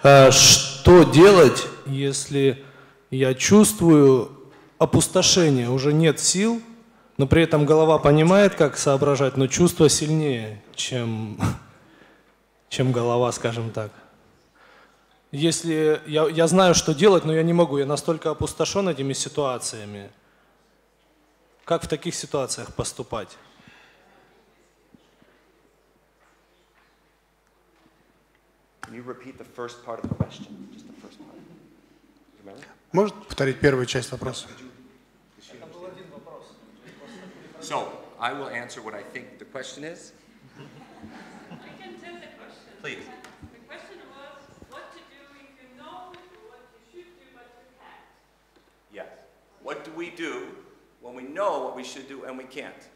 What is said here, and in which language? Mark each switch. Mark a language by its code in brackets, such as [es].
[ru] Что делать, если я чувствую опустошение, уже нет сил, но при этом голова понимает, как соображать, но чувство сильнее, чем голова, скажем так. Если я знаю, что делать, но я не могу, я настолько опустошен этими ситуациями. Как в таких ситуациях поступать? [en] Can you repeat the first part of the question? Just the first part. [ru] Может повторить первую часть вопроса? [en] So, I will answer what I think the question is. I can tell the question. Please. The question was, what to do if you know what you should do, but you can't? Yes. What do we do when we know what we should do and we can't?